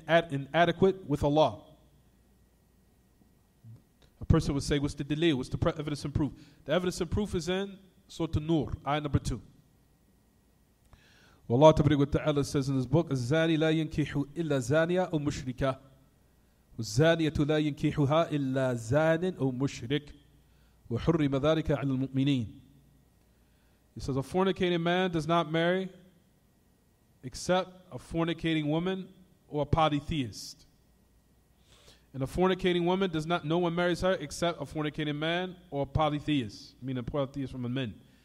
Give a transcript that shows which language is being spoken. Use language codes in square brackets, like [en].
[en] Inadequate with Allah. A person would say, what's the delay? What's the evidence and proof? The evidence and proof is in Surah An-Nur, ayah number 2. Well, Allah Tabarik wa ta'ala says in his book, [ar] الزَّانِي لَا يَنْكِحُ إِلَّا زَانِيَا أَوْ مُشْرِكَ وَالزَّانِيَةُ لَا يَنْكِحُهَا إِلَّا زَانٍ أَوْ مُشْرِكَ وَحُرِّمَ ذَلِكَ عَلَى الْمُؤْمِنِينَ. [en] He says, a fornicating man does not marry except a fornicating woman or a polytheist. And a fornicating woman does not, no one marries her except a fornicating man or a polytheist, meaning a polytheist from the men.